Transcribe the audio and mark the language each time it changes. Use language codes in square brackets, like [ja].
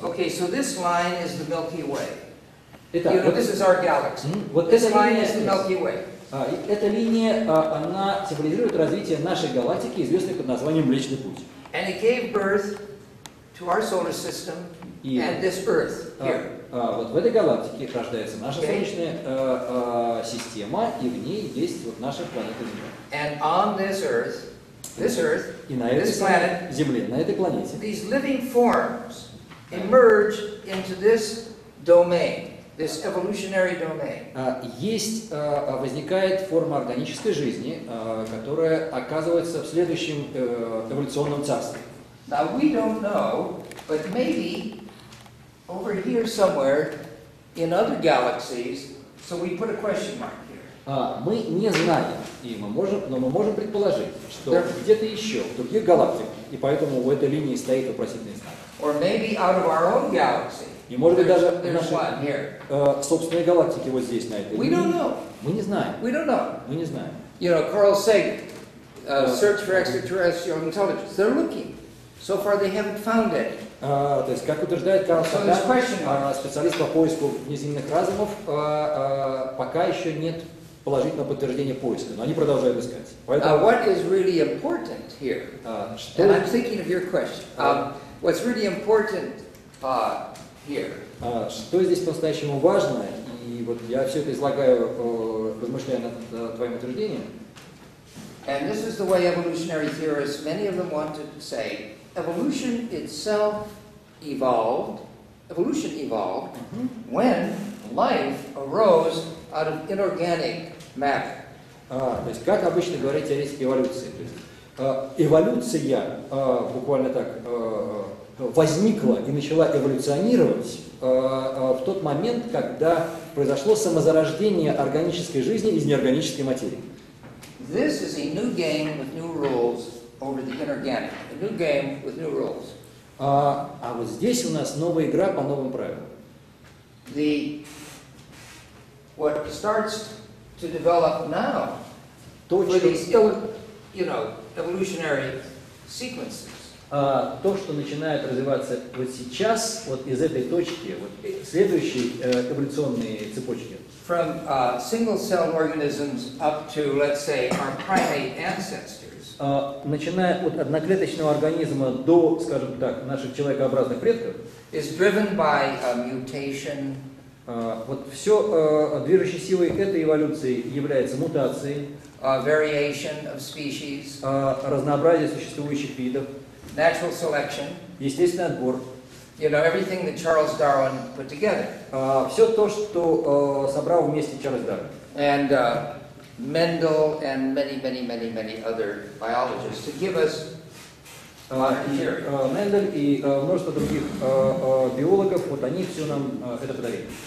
[en] Okay, so this line is the Milky Way. [ru] Итак, [en] you know, this is our galaxy. [ru] Вот [en] this line is the Milky Way. [ru] Эта линия, она символизирует развитие нашей галактики, известной под названием Млечный Путь. [en] And it gave birth to our solar system and this Earth here. [ru] Вот в этой галактике рождается наша Солнечная система, и в ней есть вот наша планета Земля. [en] And on this Earth, [ru] и на этой планете Земле, на этой планете, [en] these living forms emerge into this domain. This evolutionary domain. [ru] Возникает форма органической жизни, которая оказывается в следующем эволюционном царстве. [en] Now we don't know, but maybe over here somewhere in other galaxies, so we put a question mark here. [ru] Мы не знаем, но мы можем предположить, что где-то еще, в других галактиках, и поэтому у этой линии стоит вопросительный знак. [en] Or maybe out of our own galaxy. [ru] И может быть даже в нашей собственной галактике вот здесь, на этой линии. Мы не знаем. [en] You know, Carl Sagan, search for extraterrestrial intelligence. They're looking. So far they haven't found any. [ru] То есть, как утверждает Карл Саган, специалист по поиску внеземных разумов, пока еще нет положительного подтверждения поиска, но они продолжают искать. Поэтому, [en] what is really important here, and I'm thinking of your question, what's really important here. [ru] Что здесь по-настоящему важно, и вот я все это излагаю, размышляя над твоим утверждением. [en] And this is the way evolutionary theorists, many of them want to say, evolution itself evolved, when life arose out of inorganic matter. [ru] То есть, как обычно говорят теоретики эволюции, то есть, эволюция, буквально так, возникла и начала эволюционировать в тот момент, когда произошло самозарождение органической жизни из неорганической материи. [en] This is a new game with new rules over the inorganic. A new game with new rules. [ru] А вот здесь у нас новая игра по новым правилам. [en] The what starts to develop now for these, you know, evolutionary sequences. [ru] То, что начинает развиваться вот сейчас, вот из этой точки, вот следующие эволюционные цепочки. [en] From single-cell organisms up to, let's say, our primate ancestors. [ru] Начиная от одноклеточного организма до, скажем так, наших человекообразных предков. [en] Is driven by a mutation. [ru] Вот все движущей силой этой эволюции является мутацией. [en] Variation of species. [ru] Разнообразие существующих видов. [en] Natural selection. [ru] Естественный отбор. [en] You know, everything that Charles Darwin put together. [ru] Все то, что собрал вместе Чарльз Дарвин. [en] And Mendel and many other biologists to give us [ru] Mendel и множество других биологов, вот они все нам это подарили.